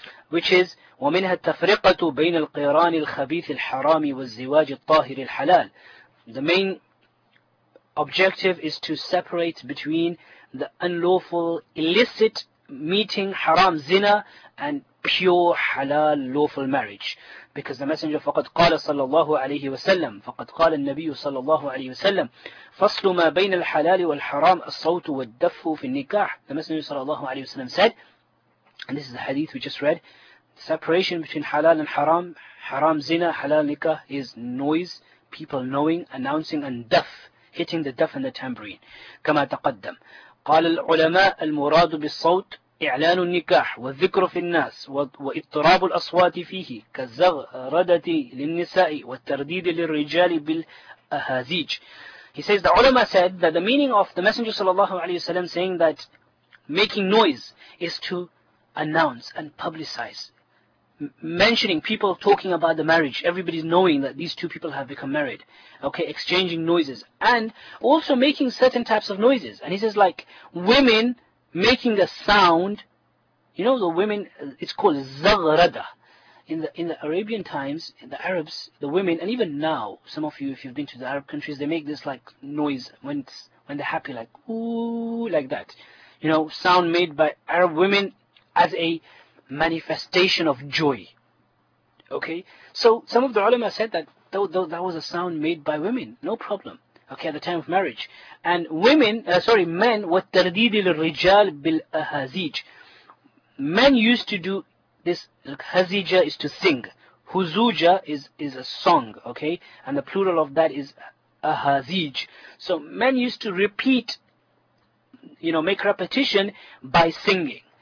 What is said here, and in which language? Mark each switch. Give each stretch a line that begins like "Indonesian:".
English: Which is
Arabic: ومنها التفرقة بين القيران الخبيث الحرام والزواج الطاهر الحلال.
English: The main objective is to separate between the unlawful illicit meeting haram zina and pure halal lawful marriage. Because the Messenger
Arabic: فقد قال صلى الله عليه وسلم فقد قال النبي صلى الله عليه وسلم فصل ما بين الحلال والحرام الصوت والدف في النكاح.
English: The Messenger صلى الله عليه وسلم said, and this is the hadith we just read, separation between halal and haram, haram zina, halal nikah, is noise, people knowing, announcing, and daf, hitting the daf and the tambourine.
Arabic: كما تقدم قال العلماء المراد بالصوت إعلان النكاح والذكر في الناس وإضطراب الأصوات فيه كالزغردة للنساء والترديد للرجال بالأهازيج.
English: He says the ulama said that the meaning of the Messenger sallallahu alayhi wasallam saying that making noise is to announce and publicize, mentioning people talking about the marriage, everybody's knowing that these two people have become married, okay, exchanging noises, and also making certain types of noises. And he says like women making a sound, you know, the women, it's called zaghrada. In the Arabian times, the Arabs, the women, and even now, some of you, if you've been to the Arab countries, they make this like noise when they're happy, like ooh, like that. You know, sound made by Arab women as a manifestation of joy. Okay, so some of the ulama said that was a sound made by women, no problem. Okay, at the time of marriage. And men,
Arabic: وَالتَّرْدِيدِ الرِّجَالِ بِالْأَهَزِيجِ.
English: Men used to do this, like, hazija is to sing. Huzuja is a song, okay? And the plural of that is ahazij. So men used to repeat, you know, make repetition by singing.